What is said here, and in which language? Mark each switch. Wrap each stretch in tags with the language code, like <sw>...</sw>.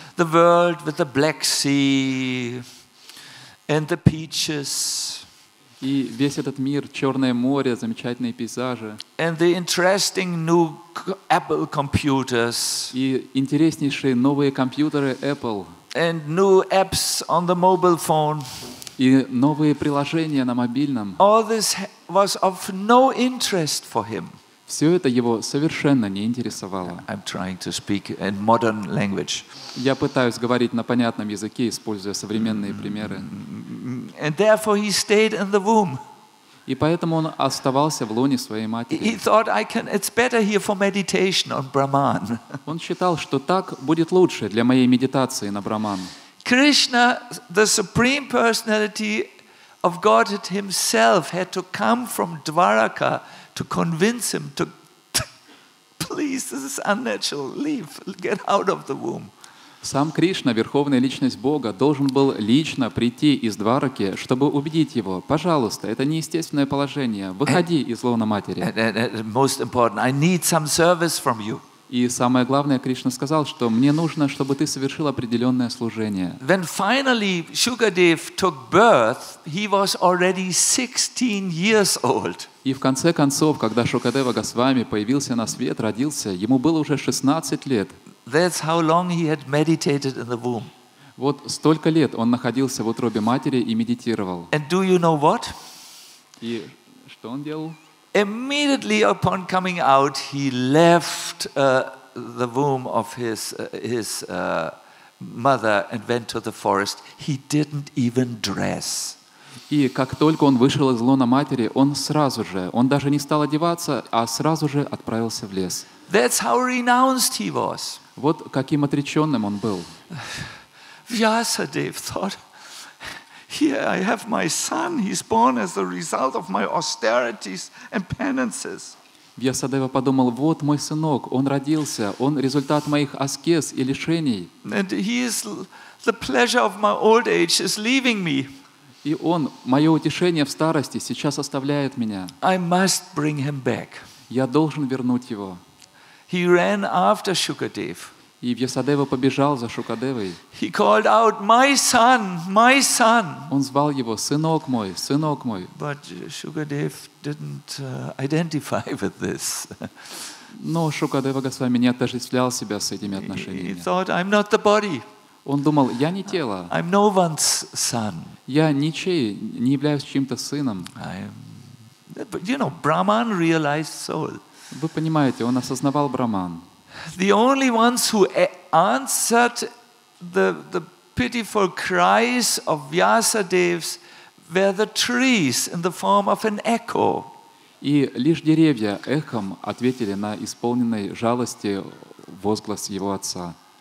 <en>The world with the black sea and the peaches.</en> <ru>И весь этот мир, черное море, замечательные пейзажи.</ru> <en>And the interesting new Apple computers.</en> <ru>И интереснейшие новые компьютеры Apple.</ru> <en>And new apps on the mobile phone.</en> <ru>И новые приложения на мобильном.</ru> <en>All this was of no interest for him.</en> <ru>Все это его совершенно не интересовало.</ru> <en>I'm trying to speak in modern language.</en> <ru>Я пытаюсь говорить на понятном языке, используя современные примеры.</ru> <en>And therefore he stayed in the womb.</en> <ru>И поэтому он оставался в лоне своей матери.</ru> <en>He thought I can. It's better here for meditation on Brahman.</en> <ru>Он считал, что так будет лучше для моей медитации на Брахман.</ru> <en>Krishna, the supreme personality of Godhead himself, had to come from Dwaraka to convince him to please, this is unnatural. Leave, get out of the womb.</en> <ru>Сам Кришна, Верховная Личность Бога, должен был лично прийти из Двараки, чтобы убедить его. Пожалуйста, это неестественное положение. Выходи из лона матери.</ru> <en>Most important, I need some service from you.</en> <ru>И самое главное, Кришна сказал, что мне нужно, чтобы ты совершил определенное служение.</ru> <en>When finally Shukadev took birth, he was already 16 years old.</en> <ru>И в конце концов, когда Шукадева Госвами появился на свет, родился, ему было уже 16 лет.</ru> <en>That's how long he had meditated in the womb.</en> <ru>Вот столько лет он находился в утробе матери и медитировал.</ru> <en>And do you know what?</en> <ru>И что он делал?</ru> <en>Immediately upon coming out, he left the womb of his mother and went to the forest. He didn't even dress.</en> <ru>И как только он вышел из лона матери, он сразу же, он даже не стал одеваться, а сразу же отправился в лес.</ru> <en>That's how renounced he was.</en> <ru>Вот каким отреченным он был.</ru> <en>Vyasadev thought, here I have my son, he's born as the result of my austerities and penances.</en> <ru>Vyasadeva подумал, вот мой сынок, он родился, он результат моих аскез и лишений.</ru> <en>And he is the pleasure of my old age is leaving me.</en> <ru>И он, мое утешение в старости, сейчас оставляет меня.</ru> <en>I must bring him back.</en> <ru>Я должен вернуть его.</ru> <en>He ran after Shukadev.</en> <ru>И Вьясадева побежал за Шукадевой.</ru> <en>He called out, "My son, my son!"</en> <ru>Он звал его, сынок мой, сынок мой.</ru> <en>But Shukadev didn't identify with this.</en> <ru>Но Шукадева Госвами не отождествлял себя с этими отношениями.</ru> <en>He thought, "I'm not the body."</en> <ru>Он думал, я не тело.</ru> <en>I'm no one's son.</en> <ru>Я ничей, не являюсь чьим-то сыном.</ru> <en>You know, Brahman realized soul.</en> <ru>Вы понимаете, он осознавал Брахман.</ru> <en>The only ones who answered the pitiful cries of Vyasadevs were the trees in the form of an echo.</en> <ru>И лишь деревья эхом ответили на исполненной жалости возглас его отца.</ru>